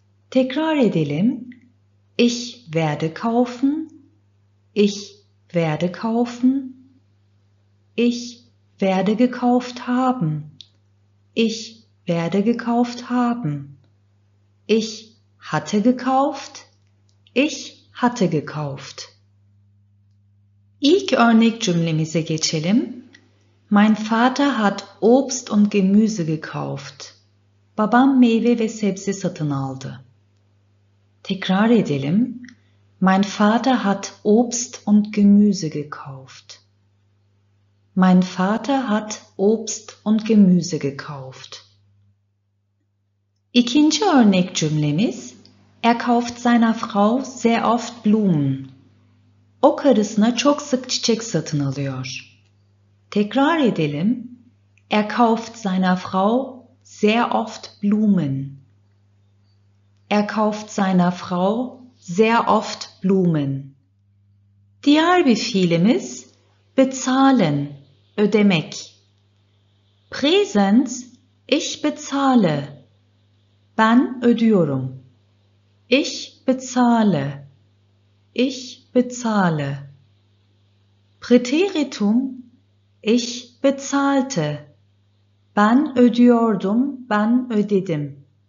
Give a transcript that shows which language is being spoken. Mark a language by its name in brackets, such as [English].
[Turkish] Tekrar edelim, [German] ich werde kaufen, ich werde kaufen, ich werde gekauft haben, ich werde gekauft haben, ich hatte gekauft, ich hatte gekauft. [Turkish] İlk örnek cümlemize geçelim. [German] Mein Vater hat Obst und Gemüse gekauft. [Turkish] Babam meyve ve sebze satın aldı. Tekrar edelim. [German] Mein Vater hat Obst und Gemüse gekauft. Mein Vater hat Obst und Gemüse gekauft. [Turkish] İkinci örnek cümlemiz, [German] er kauft seiner Frau sehr oft Blumen. [Turkish] O karısına çok sık çiçek satın alıyor. Tekrar edelim. [German] Er kauft seiner Frau sehr oft Blumen. Er kauft seiner Frau sehr oft Blumen. [Turkish] Diğer bir fiilimiz bezahlen, ödemek. [German] Präsens, ich bezahle. [Turkish] Ben ödüyorum. [German] Ich bezahle. Ich bezahle. Präteritum, ich bezahlte. [Turkish] Ben ödüyordum, ben ödedim.